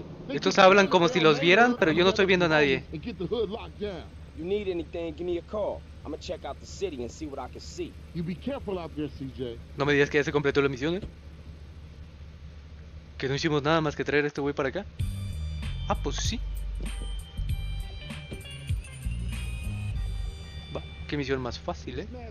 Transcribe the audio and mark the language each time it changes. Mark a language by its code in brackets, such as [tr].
[es] Estos hablan como si los vieran, pero yo no estoy viendo a nadie. [en] You need anything, give me a call. I'm gonna check out the city and see what I can see. You be careful out there, CJ. [es] No me digas que ya se completó la misión, ¿eh? Que no hicimos nada más que traer a este güey para acá. Ah, pues sí. Qué misión más fácil, ¿eh?